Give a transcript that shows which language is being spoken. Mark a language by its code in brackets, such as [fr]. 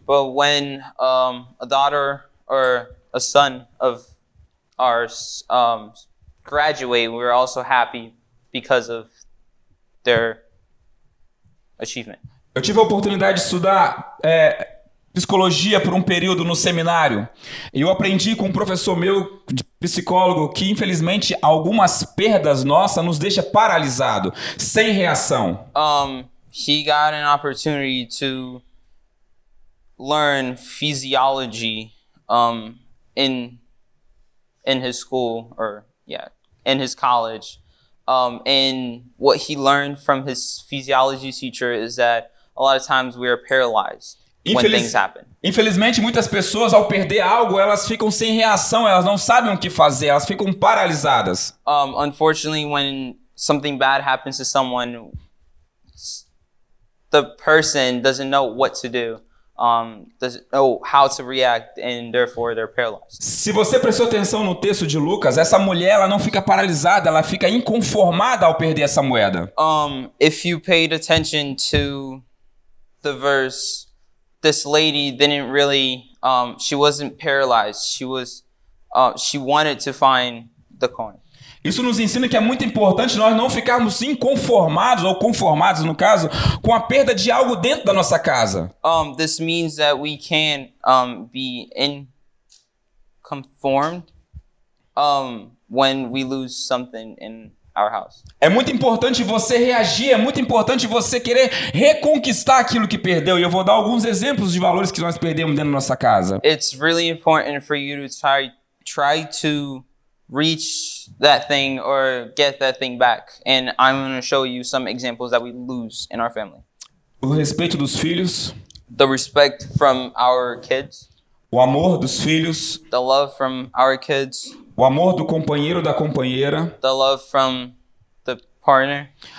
[en] But when a daughter or a son of ours graduate, we're also happy because of their achievement. [pt] Eu tive a oportunidade de estudar psicologia por um período no seminário. E eu aprendi com um professor meu, de psicólogo, que infelizmente algumas perdas nossas nos deixa paralisado, sem reação. [en] He got an opportunity to learn physiology in his school, or yeah, in his college. And what he learned from his physiology teacher is that a lot of times we are paralyzed. [pt] Infelizmente, muitas pessoas, ao perder algo, elas ficam sem reação, elas não sabem o que fazer, elas ficam paralisadas. [en] Unfortunately, when something bad happens to someone, the person doesn't know what to do, doesn't know how to react, and therefore they're paralyzed. [pt] Se você prestou atenção no texto de Lucas, essa mulher, ela não fica paralisada, ela fica inconformada ao perder essa moeda. [en] If you paid attention to the verse, this lady didn't really, she wasn't paralyzed. She was, she wanted to find the coin. [pt] Isso nos ensina que é muito importante nós não ficarmos inconformados, ou conformados no caso, com a perda de algo dentro da nossa casa. [en] This means that we can't be inconformed when we lose something in our house. [pt] É muito importante você reagir, é muito importante você querer reconquistar aquilo que perdeu. E eu vou dar alguns exemplos de valores que nós perdemos dentro da nossa casa. [en] It's really important for you to try to reach that thing or get that thing back. And I'm going to show you some examples that we lose in our family. [pt] O respeito dos filhos. [en] The respect from our kids. [pt] O amor dos filhos. [en] The love from our kids. [pt] O amor do companheiro da companheira. [en] The love from the partner.